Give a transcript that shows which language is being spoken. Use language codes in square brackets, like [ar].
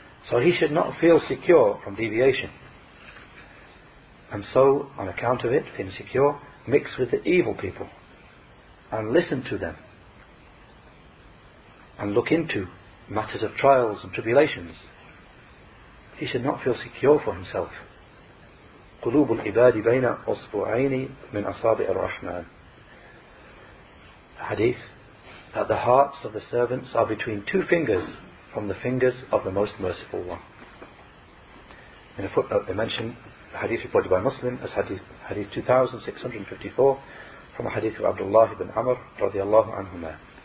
[en] So he should not feel secure from deviation, and so, on account of it, feeling secure, mix with the evil people, and listen to them, and look into matters of trials and tribulations. He should not feel secure for himself. [ar] قلوب العباد بين أصبعين من أصابع الرحمن. [en] Hadith that the hearts of the servants are between two fingers from the fingers of the Most Merciful One. In a footnote they mention a hadith reported by Muslim as hadith 2654 from a hadith of Abdullah ibn Amr radiallahu anhuma.